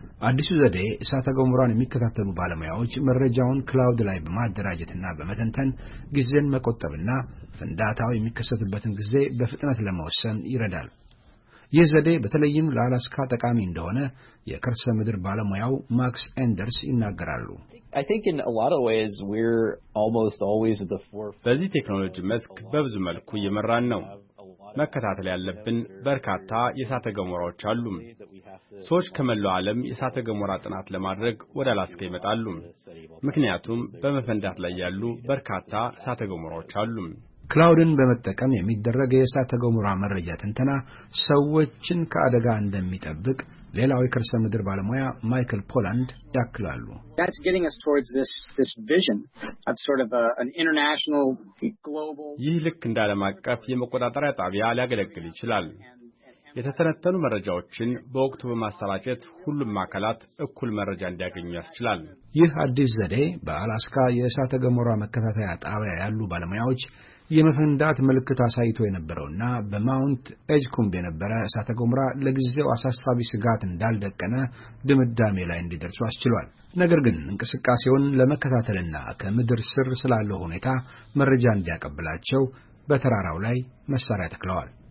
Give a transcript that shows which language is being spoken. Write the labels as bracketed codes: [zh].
[am] አዲሱ ዘዴ እሳተ ገሞራን የሚከታተሉ ባለሙያዎች መረጃውን ክላውድ ላይ በማደራጀትና በመተንተን ጊዜን መቆጠብና ፍንዳታው የሚከሰትበትን ጊዜ በፍጥነት ለመወሰን ይረዳል። ይህ ዘዴ በተለይም ለአላስካ ተቃሚ እንደሆነ የከርሰ ምድር ባለሙያው ማክስ ኤንደርስ ይናገራሉ። [en] I think in a lot of ways we're almost always at the forefront. [am] በዚህ ቴክኖሎጂ መስክ በብዙ መልኩ እየመራን ነው። መከታተል ያለብን በርካታ የእሳተ ገሞራዎች አሉ። ሰዎች ከመላው ዓለም የእሳተ ገሞራ ጥናት ለማድረግ ወደ አላስካ ይመጣሉ። ምክንያቱም በመፈንዳት ላይ ያሉ በርካታ እሳተ ገሞራዎች አሉ። ክላውድን በመጠቀም የሚደረገ የእሳተ ገሞራ መረጃ ትንተና ሰዎችን ከአደጋ እንደሚጠብቅ ሌላው የከርሰ ምድር ባለሙያ ማይክል ፖላንድ ያክላሉ። [en] That's getting us towards this vision of sort of an international global [am] ይህ ልክ እንደ ዓለም አቀፍ የመቆጣጠሪያ ጣቢያ ሊያገለግል ይችላል። የተተነተኑ መረጃዎችን በወቅቱ በማሰራጨት ሁሉም ማከላት እኩል መረጃ እንዲያገኙ ያስችላል። ይህ አዲስ ዘዴ በአላስካ የእሳተ ገሞራ መከታተያ ጣቢያ ያሉ ባለሙያዎች የመፈንዳት ምልክት አሳይቶ የነበረውና በማውንት ኤጅኩምብ የነበረ እሳተ ገሞራ ለጊዜው አሳሳቢ ስጋት እንዳልደቀነ ድምዳሜ ላይ እንዲደርሱ አስችሏል። ነገር ግን እንቅስቃሴውን ለመከታተልና ከምድር ስር ስላለው ሁኔታ መረጃ እንዲያቀብላቸው በተራራው ላይ መሳሪያ ተክለዋል።